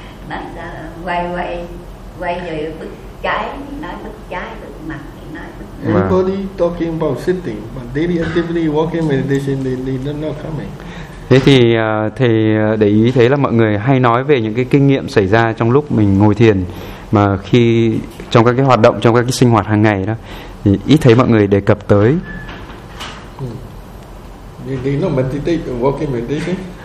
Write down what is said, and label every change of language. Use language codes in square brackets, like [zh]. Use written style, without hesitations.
[vi] Nói ra quay rồi bức trái, nói bức trái bức mặt. [en] Everybody talking about sitting, but daily activity, walking, meditation, they're not coming. [vi] Thế thì thầy để ý thấy là mọi người hay nói về những cái kinh nghiệm xảy ra trong lúc mình ngồi thiền, mà khi trong các cái hoạt động, trong các cái sinh hoạt hàng ngày đó, thì ít thấy mọi người đề cập tới. [en] They not meditate, walking, meditation.